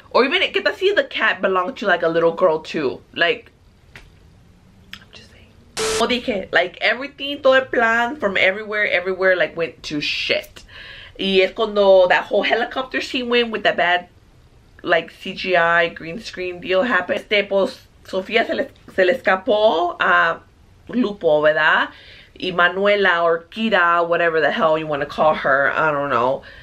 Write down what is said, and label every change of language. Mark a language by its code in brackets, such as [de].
[en] Or even, get to see the cat belong to like a little girl too. Like, I'm just saying. [es] Como dije, [en] like everything, [es] todo el plan [en] from everywhere like went to shit. [es] Y es cuando [en] that whole helicopter scene went with that bad like CGI green screen deal happened. [es] Este, pues, Sofía se le escapó a Lupo, ¿verdad? [en] Y Manuela or Kira, whatever the hell you want to call her, I don't know.